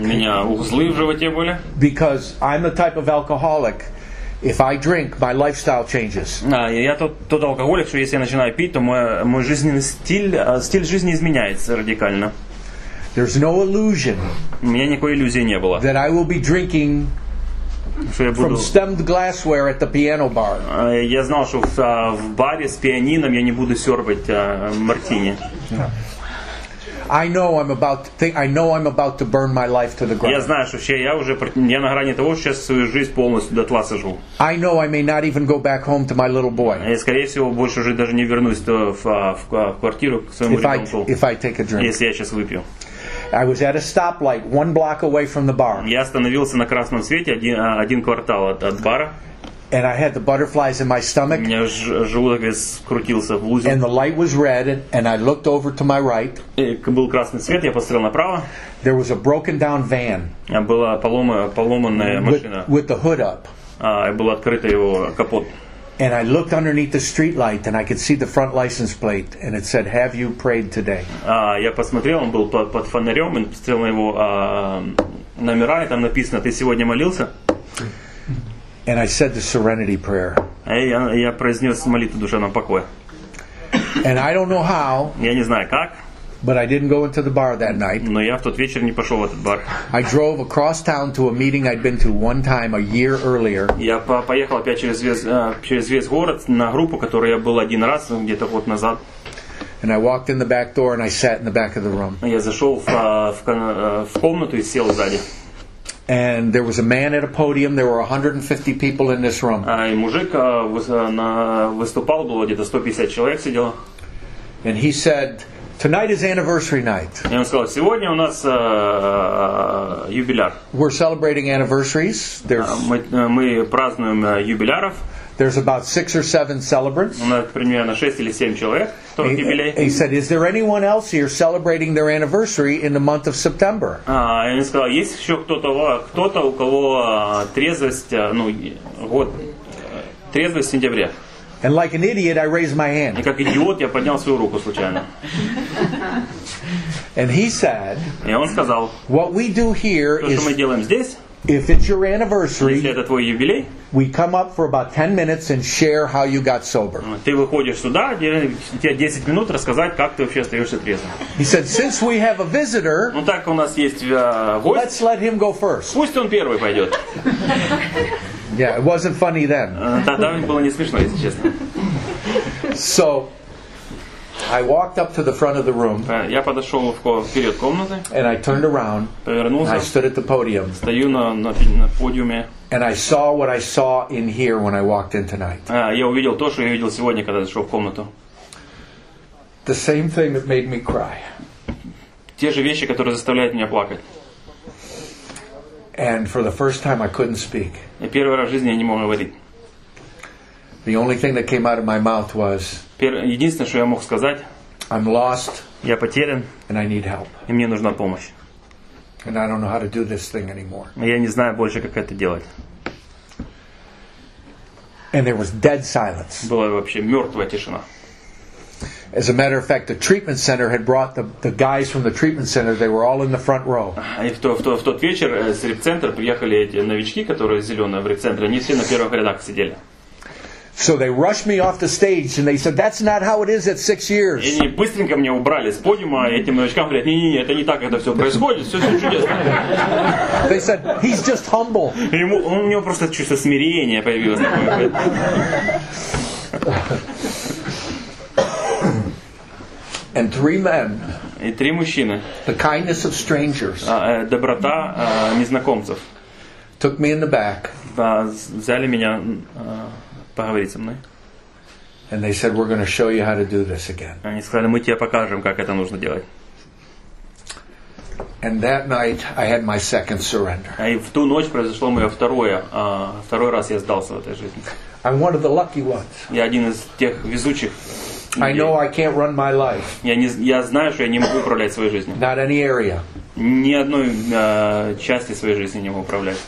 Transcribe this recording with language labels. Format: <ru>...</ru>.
<ru>У меня узлы в животе были.</ru> <en>Because I'm the type of alcoholic. If I drink, my lifestyle changes.</en> <ru>Я тот алкоголик, что если я начинаю пить, то мой жизненный стиль жизни изменяется радикально.</ru> <en>There's no illusion.</en> <ru>У меня никакой иллюзии не было.</ru> <en>That I will be drinking from stemmed glassware at the piano bar.</en> <ru>Я знал, что в баре с пианином я не буду сёрвать мартини.</ru> <en>I know I'm about to burn my life to the ground.</en> <ru>Я знаю, что вообще я на грани того, что сейчас свою жизнь полностью дотла сожгу.</ru> <en>I know I may not even go back home to my little boy.</en> <ru>Я скорее всего больше уже даже не вернусь в квартиру к своему ребенку.</ru> <en>If I take a drink.</en> <ru>Если я сейчас выпью.</ru> <en>I was at a stoplight, one block away from the bar.</en> <ru>Я остановился на красном свете один квартал от бара.</ru> <en>And I had the butterflies in my stomach.</en> <ru>У меня желудок скрутился в узел.</ru> <en>And the light was red, and I looked over to my right.</en> <ru>Был красный свет, я посмотрел направо.</ru> <en>There was a broken down van.</en> <ru>Была поломанная машина.</ru> <en>With the hood up.</en> <ru>Был открыт его капот.</ru> <en>And I looked underneath the street light, and I could see the front license plate, and it said, "Have you prayed today?"</en> <ru>Я посмотрел, он был под фонарем, и посмотрел на его номера, и там написано, ты сегодня молился?</ru> <en>And I said the serenity prayer.</en> <ru>Я произнес молитву душе нам покоя.</ru> <en>And I don't know how.</en> <ru>Я не знаю как.</ru> <en>But I didn't go into the bar that night.</en> <ru>Но я в тот вечер не пошел в этот бар.</ru> <en>I drove across town to a meeting I'd been to one time a year earlier.</en> <ru>Я поехал опять через весь город на группу, которой я был один раз где-то год назад.</ru> <en>And I walked in the back door and I sat in the back of the room.</en> <ru>Я зашел в комнату и сел сзади.</ru> <en>And there was a man at a podium. There were 150 people in this room.</en> <ru>И мужик выступал, было где-то 150 человек сидело.</ru> <en>And he said, "Tonight is anniversary night."</en> <ru>И он сказал, сегодня у нас юбиляр.</ru> <en>We're celebrating anniversaries.</en> <ru>Мы празднуем юбиляров.</ru> <en>There's about 6 or 7 celebrants.</en> <ru>У нас примерно 6 или 7 человек.</ru> <en>He said, "Is there anyone else here celebrating their anniversary in the month of September?"</en> <ru>Я не сказал, есть еще кто-то, у кого трезвость, год трезвость в сентябре.</ru> <en>And like an idiot, I raised my hand.</en> <ru>И как идиот я поднял свою руку случайно.</ru> <en>And he said,</en> <ru>и он сказал,</ru> <en>"What we do here</en> <ru>is, что мы делаем здесь,</ru> <en>if it's your anniversary,</en> <ru>если это твой юбилей."</ru> <en>We come up for about 10 minutes and share how you got sober.</en> <ru>Ты выходишь сюда, тебе 10 минут рассказать, как ты вообще остаешься трезвым.</ru> <en>He said, since we have a visitor,</en> <ru>так у нас есть гость,</ru> <en>let's let him go first.</en> <ru>Пусть он первый пойдет.</ru> <en>Yeah, it wasn't funny then.</en> <ru>Тогда было не смешно, если честно.</ru> <en>So, I walked up to the front of the room.</en> <ru>Я подошел вперед комнаты.</ru> <en>And I turned around.</en> <ru>Повернулся.</ru> <en>And I stood at the podium.</en> <ru>Стою на подиуме.</ru> <en>And I saw what I saw in here when I walked in tonight.</en> <ru>Я увидел то, что я видел сегодня, когда зашел в комнату.</ru> <en>The same thing that made me cry.</en> <ru>Те же вещи, которые заставляют меня плакать.</ru> <en>And for the first time, I couldn't speak.</en> <ru>И первый раз в жизни я не мог говорить.</ru> <en>The only thing that came out of my mouth was.</en> <ru>Единственное, что я мог сказать.</ru> <en>I'm lost.</en> <ru>Я потерян.</ru> <en>And I need help.</en> <ru>И мне нужна помощь.</ru> <en>And I don't know how to do this thing anymore.</en> <ru>Я не знаю больше, как это делать.</ru> <en>And there was dead silence.</en> <ru>Была вообще мертвая тишина.</ru> <en>As a matter of fact, the treatment center had brought the guys from the treatment center. They were all in the front row.</en> <ru>И в тот вечер с реп-центра приехали эти новички, которые зеленые в реп-центре. Они все на первых рядах сидели.</ru> <en>So they rushed me off the stage and they said, "That's not how it is at 6 years."</en> <ru>И они быстренько меня убрали с подиума, и этим новичкам говорят, не-не-не, это не так, это все происходит, все чудесно.</ru> <en>They said, "He's just humble."</en> <ru>У него просто чувство смирения появилось.</ru> <en>and three men.</en> <ru>И три мужчины.</ru> <en>The kindness of strangers.</en> <ru>Доброта незнакомцев.</ru> <en>Took me in the back.</en> <ru>Взяли меня поговорить со мной.</ru> <en>And they said, "We're going to show you how to do this again."</en> <ru>Они сказали, мы тебе покажем, как это нужно делать.</ru> <en>And that night I had my second surrender.</en> <ru>И в ту ночь произошло мое второй раз я сдался в этой жизни.</ru> <en>I'm one of the lucky ones.</en> <ru>Я один из тех везучих.</ru> <en>I know I can't run my life.</en> <ru>Я знаю, что я не могу управлять своей жизнью.</ru> <en>Not any area.</en> <ru>Ни одной части своей жизни не могу управлять.</ru>